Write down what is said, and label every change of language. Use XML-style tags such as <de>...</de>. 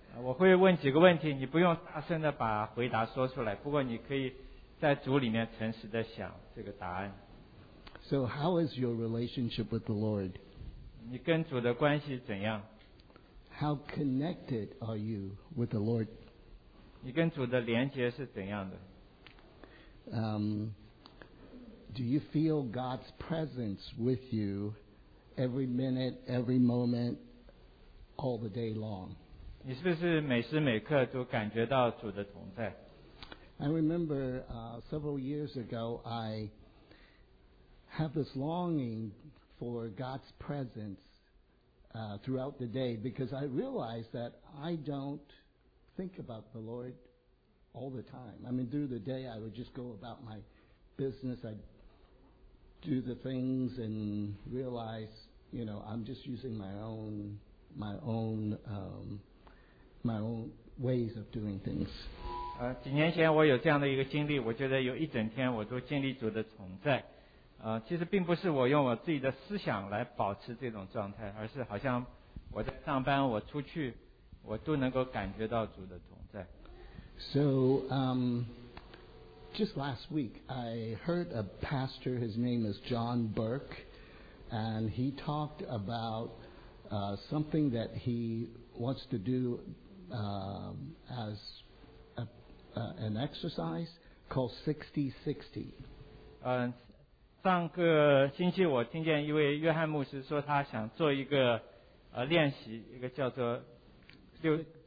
<zh>我会问几个问题，你不用大声的把回答说出来，不过你可以在组里面诚实的想这个答案。</zh> <en>So how is your relationship with the Lord?</en> <zh>你跟主的关系怎样?</zh> <en>How connected are you with the Lord?</en> <zh>你跟主的连接是怎样的?</zh> <en>Do you feel God's presence with you every minute, every moment, all the day long?</en> <zh>你是不是每时每刻都感觉到主的同在?</zh> <en>I remember several years ago, I have this longing for God's presence throughout the day because I realize that I don't think about the Lord all the time. I mean, through the day, I would just go about my business. I'd do the things and realize, you know, I'm just using my own ways of doing things.</en> <zh>几年前我有这样的一个经历，我觉得有一整天我都经历主的同在。其实并不是我用我自己的思想来保持这种状态，而是好像我在上班，我出去，我都能够感觉到主的同在。</zh> <en>So, just last week, I heard a pastor. His name is John Burke, and he talked about something that he wants to do as an exercise called 60-60.</en> <zh>上个星期我听见一位约翰牧师说他想做一个练习，一个叫做60</zh>